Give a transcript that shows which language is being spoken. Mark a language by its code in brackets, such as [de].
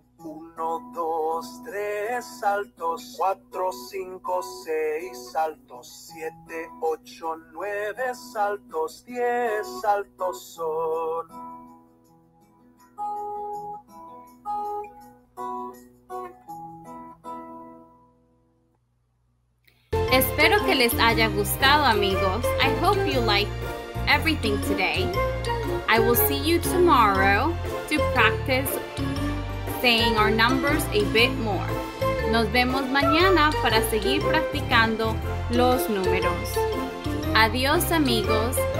[es] Uno, dos, tres saltos, cuatro, cinco, seis saltos, siete, ocho, nueve saltos, diez saltos son. Espero que les haya gustado, amigos. [en] I hope you liked everything today. I will see you tomorrow to practice saying our numbers a bit more. [es] Nos vemos mañana para seguir practicando los números. Adiós, amigos.